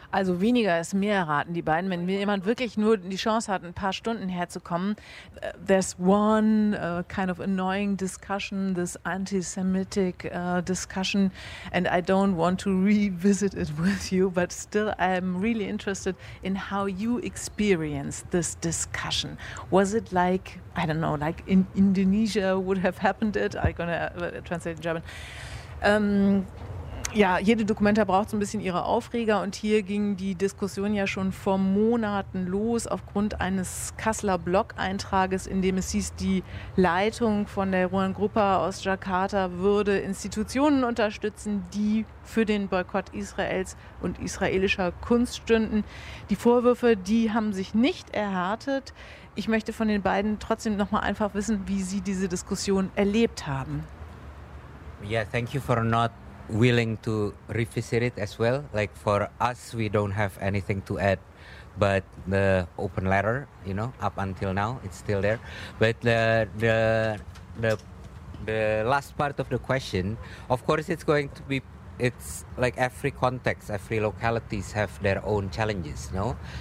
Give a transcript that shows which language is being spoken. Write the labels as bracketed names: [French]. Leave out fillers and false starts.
[German] Also weniger ist mehr, raten die beiden. Wenn jemand wirklich nur die Chance hat, ein paar Stunden herzukommen, [English] there's one kind of annoying discussion, this anti-Semitic discussion, and I don't want to revisit it with you, but still I'm really interested in how you experienced this discussion. Was it like, I don't know, like in Indonesia would have happened it? I'm gonna translate in German. [German] Jede Documenta braucht so ein bisschen ihre Aufreger, und hier ging die Diskussion ja schon vor Monaten los aufgrund eines Kasseler Blog-Eintrages, in dem es hieß, die Leitung von der Ruan Grupa aus Jakarta würde Institutionen unterstützen, die für den Boykott Israels und israelischer Kunst stünden. Die Vorwürfe, die haben sich nicht erhärtet. Ich möchte von den beiden trotzdem nochmal einfach wissen, wie sie diese Diskussion erlebt haben. [English] Yeah, thank you for not willing to revisit it as well. Like for us, we don't have anything to add but the open letter, you know, up until now, it's still there. But the last part of the question, of course, it's going to be, it's like every context, every localities have their own challenges, no?